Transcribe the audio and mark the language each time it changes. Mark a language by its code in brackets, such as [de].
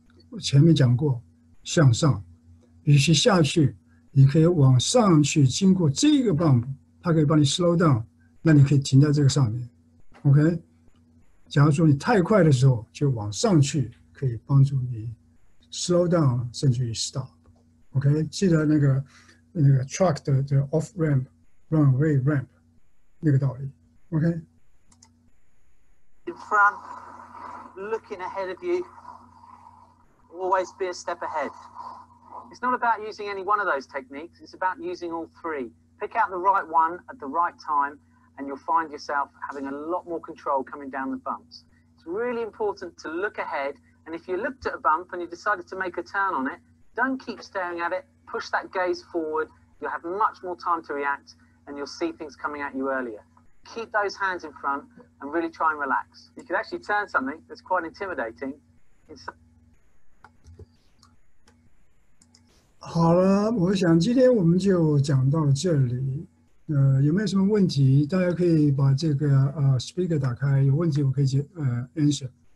[zh] 我前面讲过，向上，与其下去，你可以往上去，经过这个 bump， 它可以帮你 [en] slow down， [zh] 那你可以停在这个上面。 OK， 假如说你太快的时候，就往上去，可以帮助你 [en] slow down， [zh] 甚至于 stop。 OK， 记得那个。那个 truck 的 [en] off ramp, runway ramp, [zh] 那个道理 ,OK? [en] In front, looking ahead of you, always be a step ahead. It's not about using any one of those techniques, it's about using all three. Pick out the right one at the right time, and you'll find yourself having a lot more control coming down the bumps. It's really important to look ahead, and if you looked at a bump and you decided to make a turn on it, don't keep staring at it,Push that gaze forward, you'll have much more time to react, and you'll see things coming at you earlier. Keep those hands in front and really try and relax. You can actually turn something that's quite intimidating. [zh] 好了，我想今天我们就讲到这里。有没有什么问题？大家可以把这个speaker 打开，有问题我可以answer。